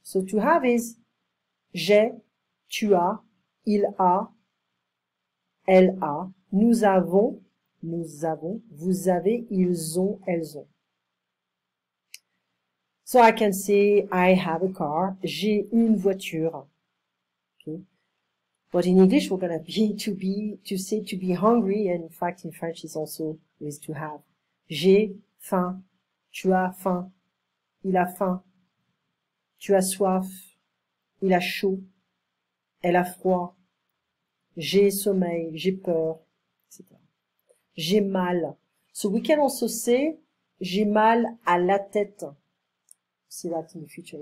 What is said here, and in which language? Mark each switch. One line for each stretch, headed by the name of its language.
English: So to have is,
French: j'ai, tu as, il a, elle a, nous avons, vous avez, ils ont, elles ont.
English: So I can say, I have a car,
French: j'ai une voiture.
English: Okay. But in English, we're gonna be to be, to say to be hungry, and in fact, in French, it's also with to have.
French: J'ai faim, tu as faim, il a faim, tu as soif, il a chaud, elle a froid. J'ai sommeil, j'ai peur, etc. J'ai mal.
English: So we can also say,
French: j'ai mal à la tête.
English: See that in the future.